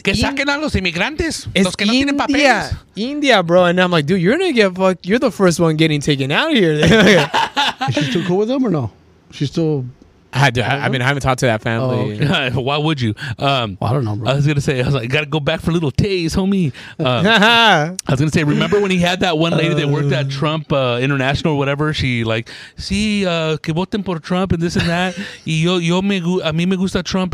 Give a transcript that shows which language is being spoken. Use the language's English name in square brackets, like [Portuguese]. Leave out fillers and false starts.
[Spanish] que saquen a los inmigrantes, los que no tienen papeles. [English] India, bro. And I'm like, dude, you're gonna get fucked. You're the first one getting taken out of here. Is she still cool with them or no? She's still. I haven't talked to that family. Oh, okay. Why would you? Well, I don't know, bro. I was going to say, I was like, got to go back for little taste, homie. I was going to say, remember when he had that one lady that worked at Trump International or whatever? She like, [Spanish] sí, que voten por Trump [English] and this and that. [Spanish] Y yo me a mí me gusta Trump.